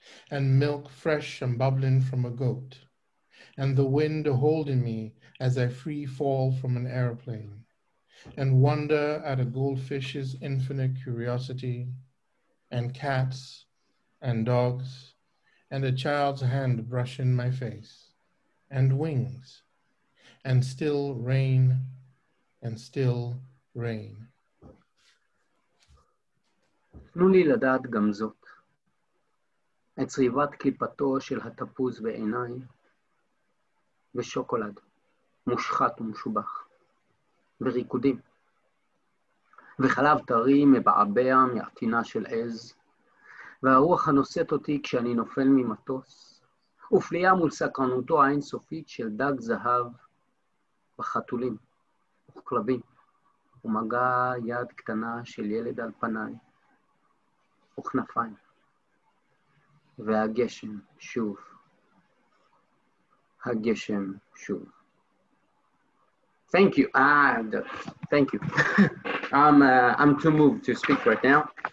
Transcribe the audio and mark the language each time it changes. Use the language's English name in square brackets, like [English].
[English] and milk fresh and bubbling from a goat, and the wind holding me as I free fall from an aeroplane, and wonder at a goldfish's infinite curiosity, and cats and dogs, and a child's hand brushing my face, and wings, and still rain, and still rain. [Hebrew] תנו לי לדעת גם זאת, את צריבת קליפתו של התפוז בעיניי, ושוקולד מושחת ומשובח. בריקודים. וחלב טרי מבעבע מהטינה של עז, והרוח הנושאת אותי כשאני נופל ממטוס, ופליה מול סקרנותו האינסופית של דג זהב בחתולים וכלבים, ומגע יד קטנה של ילד על פניי, וכנפיים, והגשם שוב, הגשם שוב. [English] Thank you. Thank you. I'm too moved to speak right now.